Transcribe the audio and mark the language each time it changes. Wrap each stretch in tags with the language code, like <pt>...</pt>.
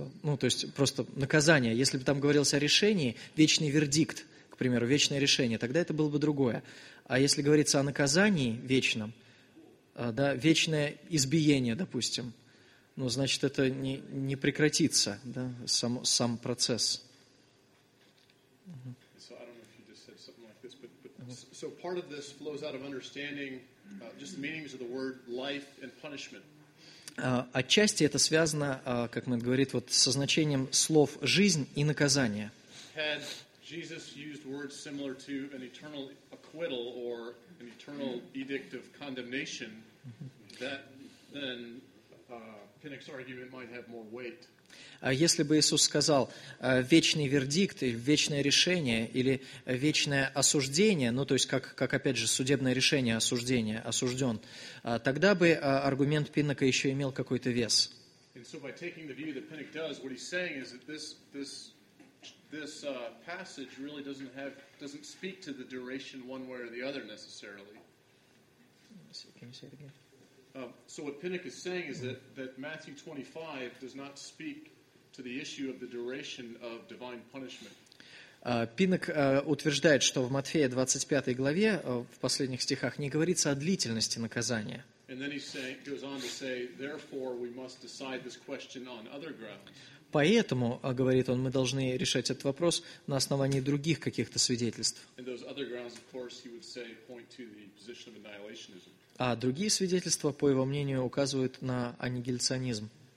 <ru>Ну, то есть, просто наказание. Если бы там говорилось о решении, вечный вердикт, к примеру, вечное решение, тогда это было бы другое. А если говорится о наказании вечном, да, вечное избиение, допустим, ну, значит, это не прекратится, да, сам процесс.</ru> <en>So, I don't know if you just said something like this, but so part of this flows out of understanding just the meanings of the word life and punishment.</en> <ru>Отчасти это связано, как Мэтт говорит, вот со значением слов «жизнь» и «наказание».</ru> <en>Had Jesus used words similar to an eternal acquittal or an eternal edict of condemnation, that then Pinnock's argument might have more weight.</en> <ru>Если бы Иисус сказал «вечный вердикт», «вечное решение» или «вечное осуждение», ну, то есть, как опять же, судебное решение, осуждение, осужден, тогда бы аргумент Пиннока еще имел какой-то вес.</ru> <en>And so by taking the view that Pinnock does, what he's saying is that this passage really doesn't speak to the duration one way or the other necessarily. Can you say it again? So what Pinnock is saying is that Matthew 25 does not speak to the issue of the duration of divine punishment.</en> <ru>Пиннок утверждает, что в Матфея 25 главе, в последних стихах, не говорится о длительности наказания.</ru> <en>And then goes on to say, therefore we must decide this question on other grounds.</en> <ru>Поэтому, говорит он, мы должны решать этот вопрос на основании других каких-то свидетельств.</ru> <en>And those other grounds, of course, he would say, point to the position of annihilationism.</en> <ru>А другие свидетельства, по его мнению, указывают на аннигиляционизм.</ru>